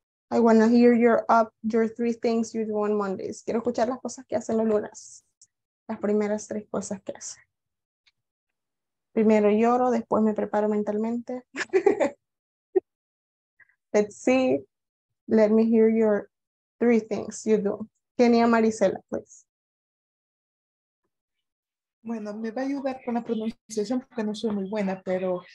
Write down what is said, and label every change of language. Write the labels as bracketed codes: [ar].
[en] I want to hear your three things you do on Mondays. [es] Quiero escuchar las cosas que hacen los lunes. Las primeras tres cosas que hacen. Primero lloro, después me preparo mentalmente. [en] Let's see. Let me hear your three things you do. Kenia Marisela, please. [es] Bueno, me va a ayudar con la pronunciación porque no soy muy buena, pero